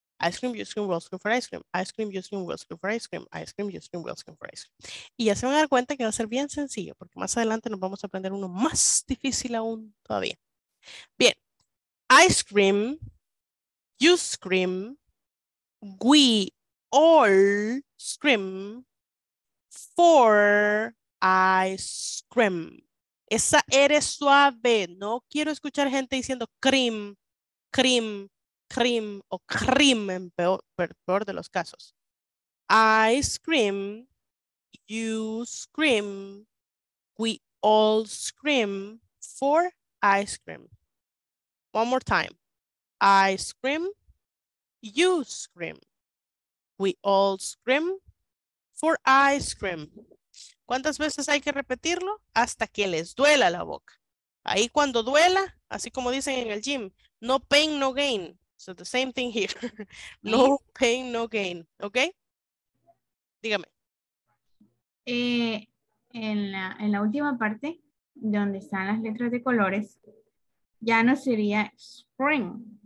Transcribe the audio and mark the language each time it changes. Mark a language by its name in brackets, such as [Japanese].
[English] Ice cream, you scream, we'll scream for ice cream. Ice cream, you scream, we'll scream for ice cream. Ice cream, you scream, we'll scream for ice cream. [Spanish] Y ya se van a dar cuenta que va a ser bien sencillo, porque más adelante nos vamos a aprender uno más difícil aún todavía. Bien. [English] Ice cream, you scream, we all scream for ice cream. [Spanish] Esa R es suave. No quiero escuchar gente diciendo cream, cream, cream o cream en peor de los casos. [English] I scream, you scream, we all scream for ice cream. One more time. I scream, you scream, we all scream for ice cream. [Spanish] ¿Cuántas veces hay que repetirlo? Hasta que les duela la boca. Ahí cuando duela, así como dicen en el gym, [English] no pain, no gain. So the same thing here. No pain, no gain. ¿Ok? [Spanish] Dígame. En la última parte, donde están las letras de colores, ya no sería spring.